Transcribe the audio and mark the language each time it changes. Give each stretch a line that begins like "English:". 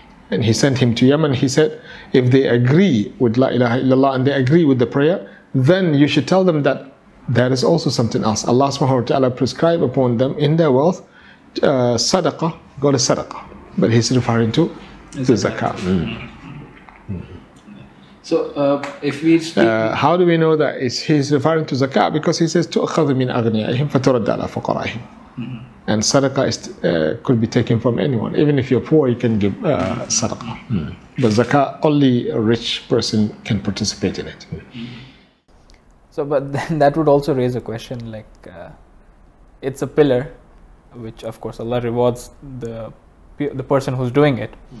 English: And he sent him to Yemen. He said, if they agree with La ilaha illallah and they agree with the prayer, then you should tell them that there is also something else. Allah subhanahu wa ta'ala prescribe upon them in their wealth, sadaqah, God is sadaqah. But he's referring to the zakah. Mm. So if we speak... How do we know that he's referring to zakah? Because he says,
Arabic: تُؤْخَذُ مِنْ أَغْنِيَائِهِمْ فَتُرَدَّ عَلَى فُقَرَائِهِمْ.
English: And sadaqah is could be taken from anyone. Even if you're poor, you can give sadaqah. Mm. But zakah, only a rich person can participate in it. So, but then that would also raise a question, like, it's a pillar, which of course Allah rewards the person who's doing it.